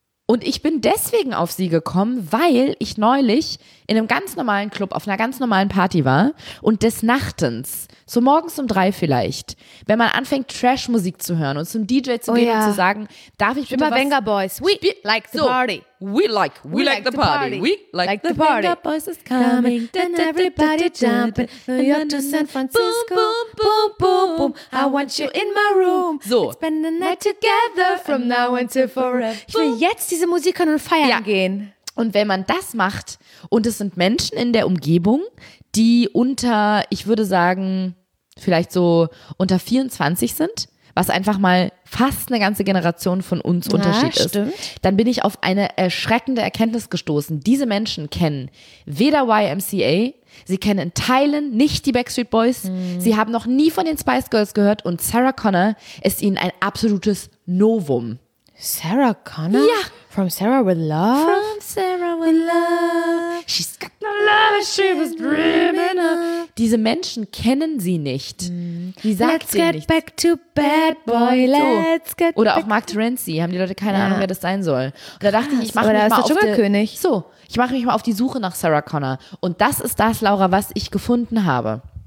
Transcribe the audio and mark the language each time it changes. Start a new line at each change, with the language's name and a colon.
German: Und ich bin deswegen auf sie gekommen, weil ich neulich in einem ganz normalen Club auf einer ganz normalen Party war und des Nachtens, so morgens um 3 vielleicht, wenn man anfängt Trash-Musik zu hören und zum DJ zu gehen, oh ja, und zu sagen, darf ich bitte was...
English: Immer Venga Boys, we like the party. We like the party. The Venga Boys is coming, then everybody jumping. New York to San Francisco. Boom, boom, boom, boom, boom. I want you in my room. So. Spend the night together from now until forever.
German: Ich will jetzt diese Musik hören und feiern, ja, gehen. Und wenn man das macht und es sind Menschen in der Umgebung, die unter, ich würde sagen, vielleicht so unter 24 sind, was einfach mal fast eine ganze Generation von uns Unterschied ist, dann bin ich auf eine erschreckende Erkenntnis gestoßen. Diese Menschen kennen weder YMCA, sie kennen in Teilen nicht die Backstreet Boys, sie haben noch nie von den Spice Girls gehört und Sarah Connor ist ihnen ein absolutes Novum. Sarah Connor? Ja.
English: From Sarah with Love? From Sarah with Love. She's got no love, she was dreaming of.
German: Diese Menschen kennen sie nicht. Die sagt
English: Let's get
German: nichts.
English: Back to Bad Boy. Let's get
German: Oder
English: back
German: auch Mark Terenzi. Haben die Leute keine Ahnung, wer das sein soll. Und da dachte ich, ich mache mich, mach mich mal auf die Suche nach Sarah Connor. Und das ist das, Laura, was ich gefunden habe.